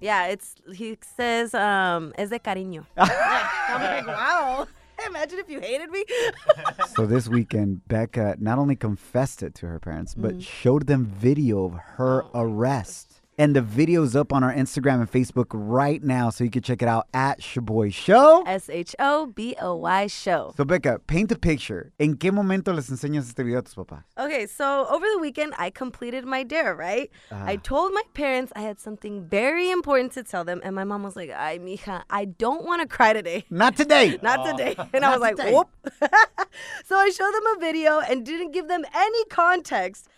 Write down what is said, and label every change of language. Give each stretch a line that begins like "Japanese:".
English: Yeah, he says,
Spanish: es de cariño.
English: I'm like, wow. Imagine if you hated me. So this weekend, Becca not only confessed it to her parents, but showed them video of her arrest. And the video's up on our Instagram and Facebook right now, so you can check it out at Shaboy Show. Shaboy Show. So, Becca, paint the picture.
Spanish: ¿En qué momento les enseñas este video a tus papás?
English: Okay, so over the weekend, I completed my dare, right? I told my parents I had something very important to tell them, and my mom was like,
Spanish: ay, mija,
English: I don't want to cry today. Not today. Not today. And I was like, whoop. So I showed them a video and didn't give them any context.